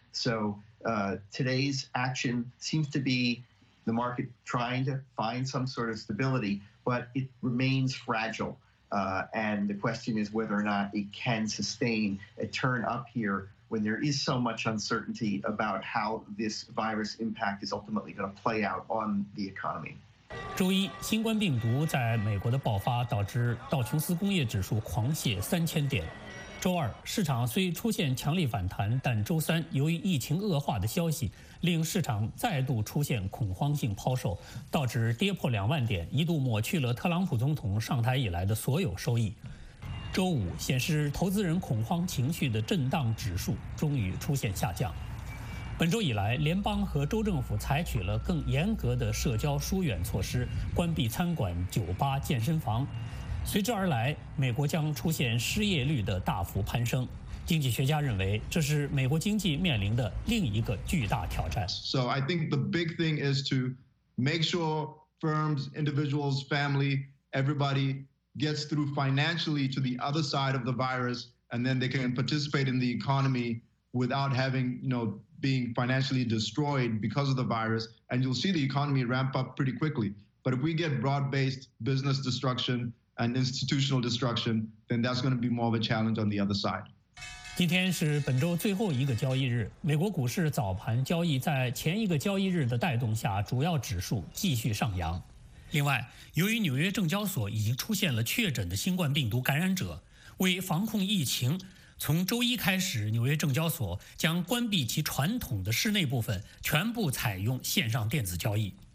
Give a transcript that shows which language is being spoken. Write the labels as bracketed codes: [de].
[en] So today's action seems to be the market trying to find some sort of stability, but it remains fragile. And the question is whether or not it can sustain a turn up here. When there is so much uncertainty about how this virus impact is ultimately going to play out on the economy. [zh] 周一，新冠病毒在美国的爆发导致道琼斯工业指数狂泻3000点。周二，市场虽出现强力反弹，但周三由于疫情恶化的消息，令市场再度出现恐慌性抛售，道指跌破20000点，一度抹去了特朗普总统上台以来的所有收益。周五显示投资人恐慌情绪的震荡指数终于出现下降。本周以来，联邦和州政府采取了更严格的社交疏远措施，关闭餐馆、酒吧、健身房。随之而来，美国将出现失业率的大幅攀升。经济学家认为，这是美国经济面临的另一个巨大挑战。 [en] So I think the big thing is to make sure firms, individuals, family, everybody. Gets through financially to the other side of the virus, and then they can participate in the economy without having, you know, being financially destroyed because of the virus. And you'll see the economy ramp up pretty quickly. But if we get broad-based business destruction and institutional destruction, then that's going to be more of a challenge on the other side. [zh] 今天是本周最后一个交易日，美国股市早盘交易在前一个交易日的带动下，主要指数继续上扬。另外，由于纽约证交所已经出现了确诊的新冠病毒感染者，为防控疫情，从周一开始，纽约证交所将关闭其传统的室内部分，全部采用线上电子交易。